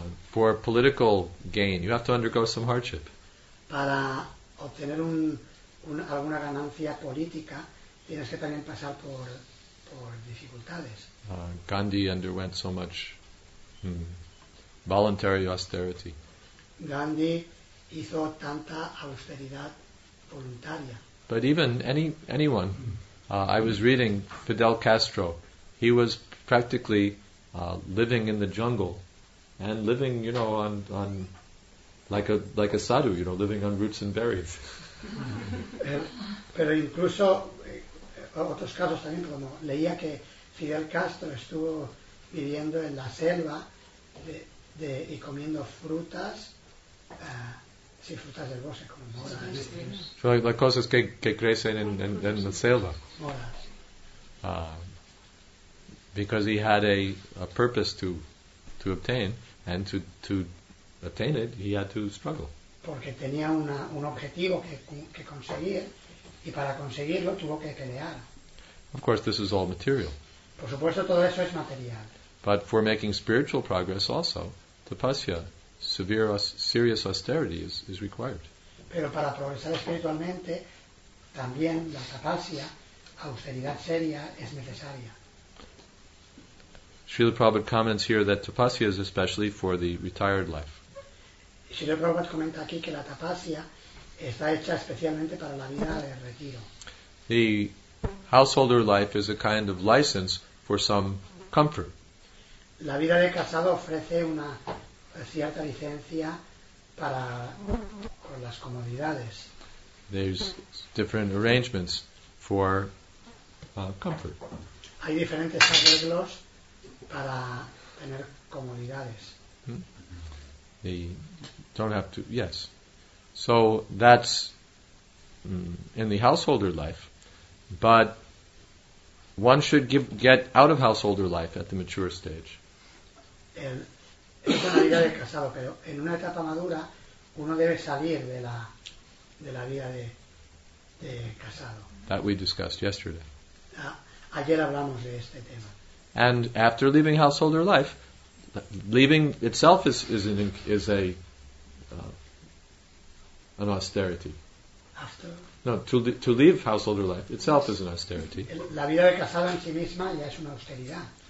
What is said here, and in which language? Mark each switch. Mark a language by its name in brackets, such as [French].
[English] For political gain, you have to undergo some hardship. [Spanish] Para obtener alguna ganancia política, tienes que también pasar por dificultades. [English] Gandhi underwent so much voluntary austerity. [Spanish] Gandhi hizo tanta austeridad voluntaria. [English] But even anyone, I was reading Fidel Castro. He was practically living in the jungle and living, you know, on like a sadhu, you know, living on roots and berries. [Spanish] Pero incluso otros casos también, como leía que Fidel Castro estuvo viviendo en la selva y comiendo frutas, sí, frutas del bosque, como moras. [English] So the [Spanish] cosas que crecen en la selva. Moras. [English] Because he had a purpose to obtain, and to attain it, he had to struggle. [Spanish] Porque tenía un objetivo que conseguir, y para conseguirlo tuvo que pelear. [English] Of course, this is all material. [Spanish] Por supuesto, todo eso es material. [English] But for making spiritual progress also, tapasya, serious austerity is required. [Spanish] Pero para progresar espiritualmente, también la tapasya, austeridad seria, es necesaria. [English] Srila Prabhupada comments here that tapasya is especially for the retired life. [Spanish] Srila Prabhupada comenta aquí que la tapasya está hecha especialmente para la vida de retiro. [English] The householder life is a kind of license for some comfort. [Spanish] La vida de casado ofrece una cierta licencia para con las comodidades. [English] There's different arrangements for comfort. [Spanish] Hay diferentes arreglos para tener comodidades. [English] They don't have to. Yes. So that's in the householder life. But one should get out of householder life at the mature stage. [Spanish] Es una vida de casado, pero en una etapa madura uno debe salir de la vida de casado. [English] That we discussed yesterday. [Spanish] Ayer hablamos de este tema. [English] And after leaving householder life, leaving itself is an austerity. After. No, to leave householder life itself is an austerity. [Spanish] La vida de casado en sí misma ya es una austeridad.